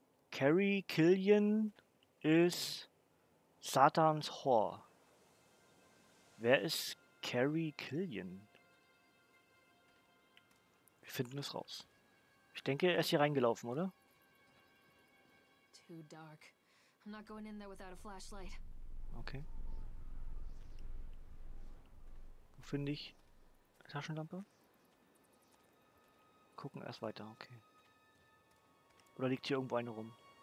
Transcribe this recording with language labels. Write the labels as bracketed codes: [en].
[de] Carrie Killian ist Satans Whore. Wer ist Carrie Killian? Wir finden es raus. Ich denke, er ist hier reingelaufen, oder? [en] Too dark. I'm not going in there without a flashlight. Okay. [de] Wo finde ich eine Taschenlampe? Gucken erst weiter, okay. Oder liegt hier irgendwo eine rum?